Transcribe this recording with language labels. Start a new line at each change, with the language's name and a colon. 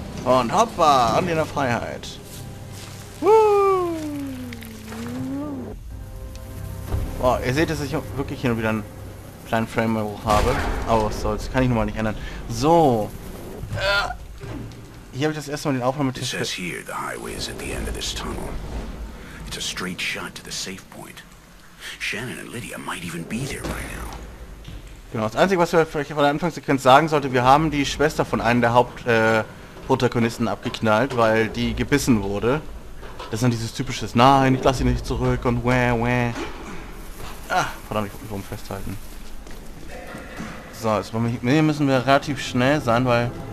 German: Und hoppa, an die Freiheit. Boah, ihr seht, dass ich wirklich hier nur wieder einen kleinen Frame-Bruch habe. Aber was soll's, kann ich nun mal nicht ändern. So, Hier habe ich das erste Mal den Aufnahmetisch. Es hier,
English: the highway is at the end of this tunnel. It's a straight shot to the safe point. Shannon and Lydia might even be there right now.
German: Genau, das Einzige, was wir vielleicht von der Anfangssequenz sagen sollte, wir haben die Schwester von einem der Hauptprotagonisten abgeknallt, weil die gebissen wurde. Das ist dann dieses typische, nein, ich lasse sie nicht zurück und wäh, wäh. Verdammt, ich muss mich rum festhalten. So, jetzt müssen wir relativ schnell sein, weil...